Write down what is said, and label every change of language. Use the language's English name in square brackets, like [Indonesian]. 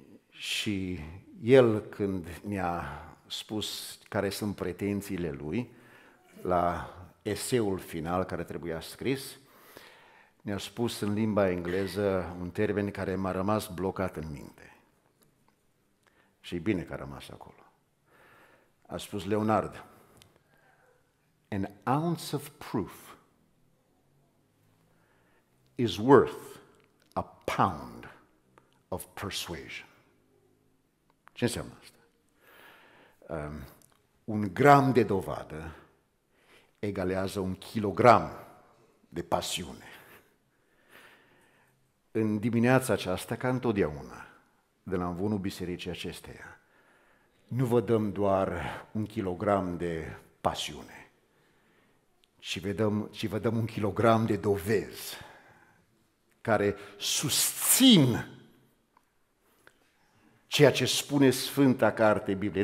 [Romanian] Și el, când mi-a spus care sunt pretențiile lui la eseul final care trebuia scris, ne-a spus în limba engleză un termen care m-a rămas blocat în minte. Și bine că a rămas acolo. A spus [English] Leonard, an ounce of proof is worth a pound of persuasion. [Romanian] Ce înseamnă asta? Un gram de dovadă egalează un kilogram de pasiune. În dimineața aceasta, ca întotdeauna, de la învunul bisericii acesteia, nu vă dăm doar un kilogram de pasiune, ci vă dăm un kilogram de dovezi care susțin ceea ce spune Sfânta Carte Biblie.